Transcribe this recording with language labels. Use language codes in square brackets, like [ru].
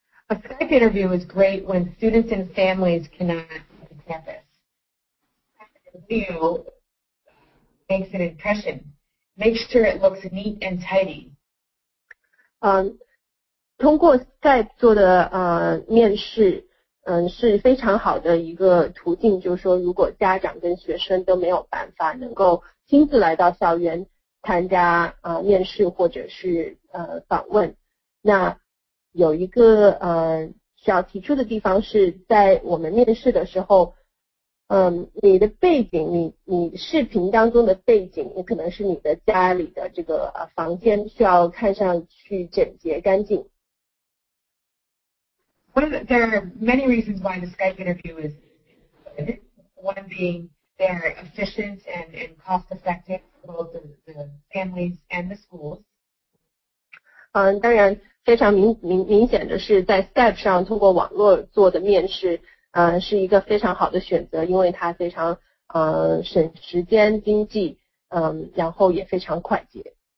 [en] A Skype interview is great when students and families cannot come to campus. Video makes an impression. Make sure it looks neat and tidy. [zh] 通过 Skype 做的面试。是非常好的一个途径，就是说如果家长跟学生都没有办法能够亲自来到校园参加面试或者是访问，那有一个需要提出的地方是在我们面试的时候，你的背景，你视频当中的背景，也可能是你的家里的这个房间需要看上去整洁干净。 [en] There are many reasons why the Skype interview is good. One being they're efficient and cost effective for both the families and the schools. [zh] 当然非常明显的是在 Skype 上通过网络做的面试是一个非常好的选择，因为它非常省时间经济，然后也非常快捷。